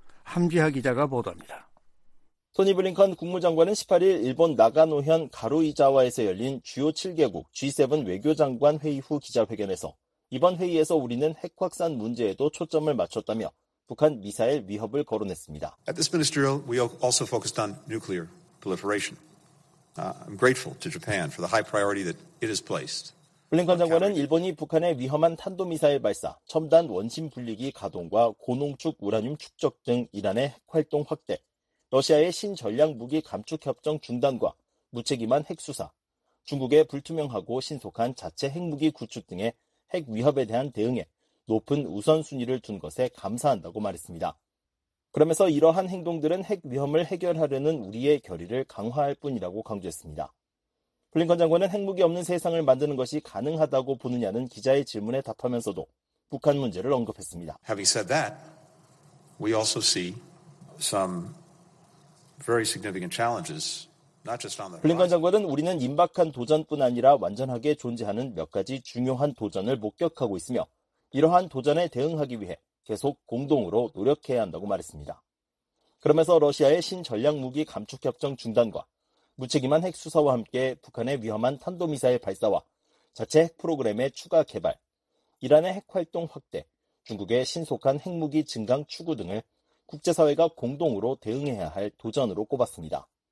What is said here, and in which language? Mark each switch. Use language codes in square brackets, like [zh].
[ko] 함지하 기자가 보도합니다. 토니 블링컨 국무장관은 18일 일본 나가노현 가로이자와에서 열린 주요 7개국 G7 외교장관 회의 후 기자회견에서 이번 회의에서 우리는 핵 확산 문제에도 초점을 맞췄다며 북한 미사일 위협을 거론했습니다. [en] At this ministerial, we also focused on nuclear proliferation. I'm grateful to Japan for the high priority that it has placed. [ko] 블링컨 장관은 일본이 북한의 위험한 탄도미사일 발사, 첨단 원심 분리기 가동과 고농축 우라늄 축적 등 이란의 핵활동 확대, 러시아의 신전략 무기 감축협정 중단과 무책임한 핵수사, 중국의 불투명하고 신속한 자체 핵무기 구축 등의 핵 위협에 대한 대응에 높은 우선순위를 둔 것에 감사한다고 말했습니다. 그러면서 이러한 행동들은 핵 위험을 해결하려는 우리의 결의를 강화할 뿐이라고 강조했습니다. 블링컨 장관은 핵무기 없는 세상을 만드는 것이 가능하다고 보느냐는 기자의 질문에 답하면서도 북한 문제를 언급했습니다. [en] Having said that, we also see some very significant challenges. [ko] 블링컨 장관은 우리는 임박한 도전뿐 아니라 완전하게 존재하는 몇 가지 중요한 도전을 목격하고 있으며 이러한 도전에 대응하기 위해 계속 공동으로 노력해야 한다고 말했습니다. 그러면서 러시아의 신전략무기 감축협정 중단과 무책임한 핵수사와 함께 북한의 위험한 탄도미사일 발사와 자체 핵 프로그램의 추가 개발, 이란의 핵활동 확대, 중국의 신속한 핵무기 증강 추구 등을 국제사회가 공동으로 대응해야 할 도전으로 꼽았습니다.